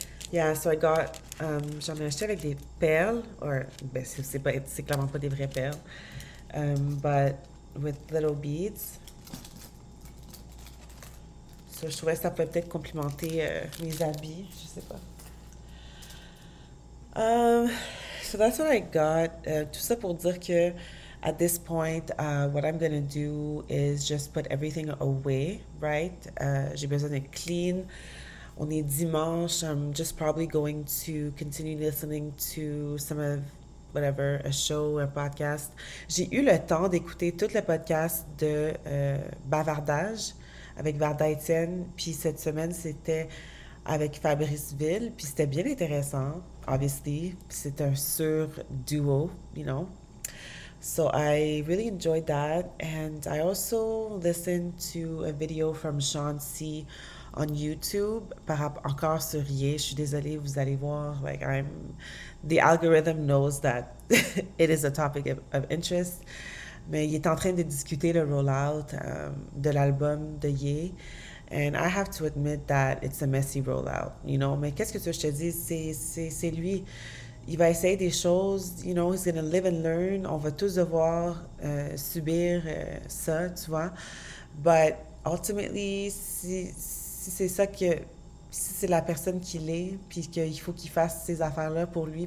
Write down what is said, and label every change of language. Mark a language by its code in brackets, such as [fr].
[en] Yeah, so I got, [fr] j'en ai acheté avec des perles, or, ben, c'est clairement pas des vraies perles, [en] but with little beads. [fr] Je trouvais que ça pouvait peut-être complimenter mes habits, je sais pas. [en] So that's what I got. [fr] Tout ça pour dire que, [en] at this point, what I'm gonna do is just put everything away, right? [fr] J'ai besoin d'être clean. On est dimanche. [en] I'm just probably going to continue listening to some of whatever, a show, un podcast. [fr] J'ai eu le temps d'écouter tout le podcast de Bavardage. Avec Varda Etienne. Puis cette semaine, c'était avec Fabrice Ville, puis c'était bien intéressant, obviously. C'est un sûr duo, [en] you know. So I really enjoyed that. And I also listened to a video from Sean C on YouTube, perhaps [fr] encore sur Ye. Je suis désolée, vous allez voir. [en] Like, the algorithm knows that it is a topic of interest. [fr] Mais il est en train de discuter le rollout de l'album de Ye. [en] And I have to admit that it's a messy rollout, you know. [fr] Mais qu'est-ce que tu veux que je te dise? C'est lui. Il va essayer des choses, [en] you know. He's gonna live and learn. [fr] On va tous devoir subir ça, tu vois. [en] But ultimately, [fr] si c'est ça que. Si c'est la personne qu'il est, puis qu'il faut qu'il fasse ces affaires-là pour lui.